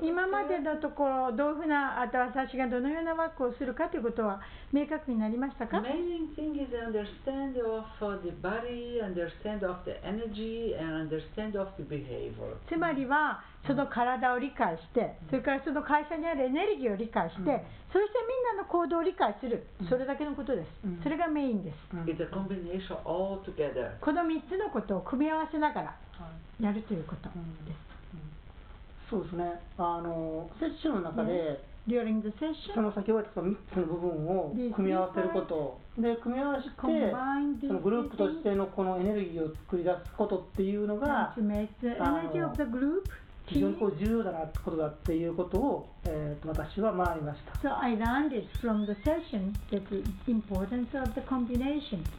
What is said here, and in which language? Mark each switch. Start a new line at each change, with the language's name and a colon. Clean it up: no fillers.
Japanese: 今までのところどういうふうなあとは私がどのようなワークをするかということは明確になりましたか？
English: Amazing thing is understand of the body, understand of the energy, and understand of the behavior.
Japanese: つまりはその体を理解して、それからその会社にあるエネルギーを理解して、そしてみんなの行動を理解する、それだけのことです。それがメインです。
English: It's a combination all together.
Japanese: この3つのことを組み合わせながらやるということです。そうですね。あのセッションの中で、
English: During the session,
Japanese: その先ほど言った3つの部分を組み合わせることで組み合わせてそのグループとしてのこのエネルギーを作り出すことっていうのが、
English: to make the energy of the group.
Japanese: 非常にこう重要だなってことだっていうことを、私は学びました。
English: So I learned it from the session that the importance of the combination.